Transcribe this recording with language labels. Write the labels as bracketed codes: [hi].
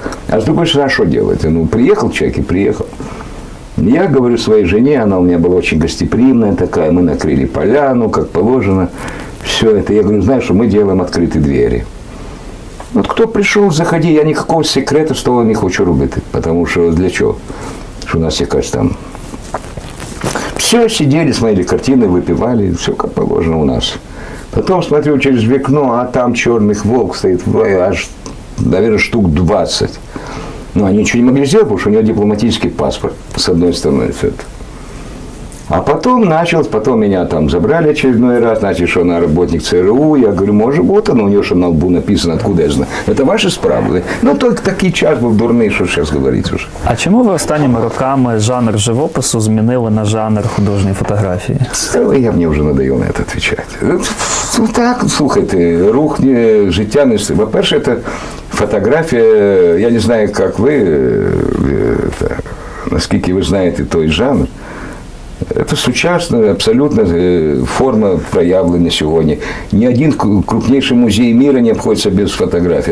[uk] А з другої сторони, що робити? Ну, приїхав чоловік і приїхав. Я говорю своїй жені, вона у мене була дуже гостеприимна така, ми накрили поляну, як положено. Все це. Я говорю, знаєш, ми робимо відкриті двері. От хто прийшов, заходи, я ніякого секрету з того не хочу робити, тому що для чого? Что у нас якась там. [ru] Все, сидели, смотрели картины, выпивали, все как положено у нас. Потом смотрю через окно, а там черный волк стоит, аж, наверное, штук 20. Ну, они ничего не могли сделать, потому что у него дипломатический паспорт, с одной стороны. Все это. А потом началось, потом меня там забрали очередной раз, значит, что она работник ЦРУ. Я говорю, может, вот она, у нее же на лбу написано, откуда я знаю. Это ваши справы. Ну, только такий час был дурный, что сейчас говорить уже. [uk] А чему вы останніми роками жанр живопису изменили на жанр художньої фотографії? [ru] Ой, я мне уже надоел на это отвечать. [uk] Ну, так, слухайте, рух не життя не... [ru] Во-первых, это фотография, я не знаю, как вы, это, наскільки вы знаете той жанр. Это сучасная абсолютно форма проявлена сегодня. Ни один крупнейший музей мира не обходится без фотографий.